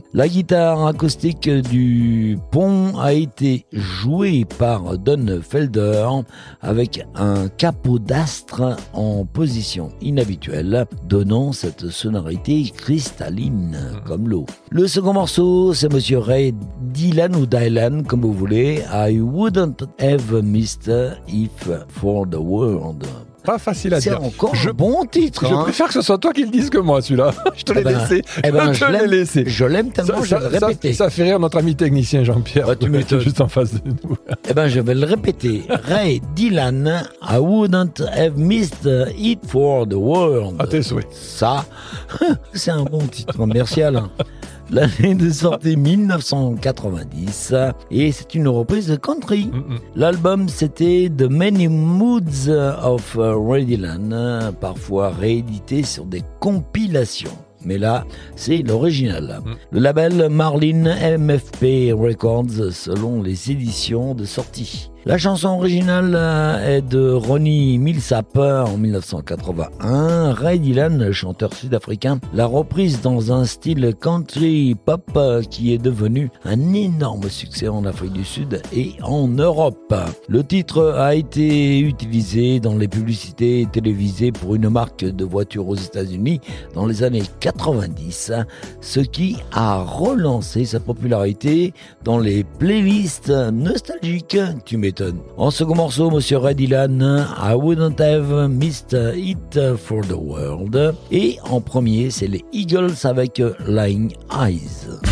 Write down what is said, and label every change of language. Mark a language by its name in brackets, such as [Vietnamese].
[French] La guitare acoustique du pont a été jouée par Don Felder avec un capot d'astre en position inhabituelle, donnant cette sonorité cristalline comme l'eau. Le second morceau, c'est Monsieur Ray Dylan ou Dylan, comme vous voulez. [English] I wouldn't have missed if for the world. [French] Pas facile à c'est dire. C'est encore bon titre. Je préfère que ce soit toi qui le dise que moi, celui-là. Je te l'ai laissé. Je l'aime tellement, je vais le répéter. Ça fait rire notre ami technicien Jean-Pierre. Bah, tu m'es juste en face de nous. Eh bien, je vais le répéter. [English] Ray Dylan, I wouldn't have missed it for the world. [French] À tes souhaits. Ça, c'est un bon titre. Merci Alain. L'année de sortie 1990, et c'est une reprise de country. L'album, c'était The Many Moods of Redland, parfois réédité sur des compilations. Mais là, c'est l'original. Le label Marlin MFP Records, selon les éditions de sortie. La chanson originale est de Ronnie Milsap en 1981. Ray Dylan, chanteur sud-africain, l'a reprise dans un style country pop qui est devenu un énorme succès en Afrique du Sud et en Europe. Le titre a été utilisé dans les publicités télévisées pour une marque de voitures aux États-Unis dans les années 90, ce qui a relancé sa popularité dans les playlists nostalgiques. Tu mets en second morceau, Monsieur [English] Ray Dylan, I wouldn't have missed it for the world. [French] Et en premier, c'est les Eagles avec Lying Eyes.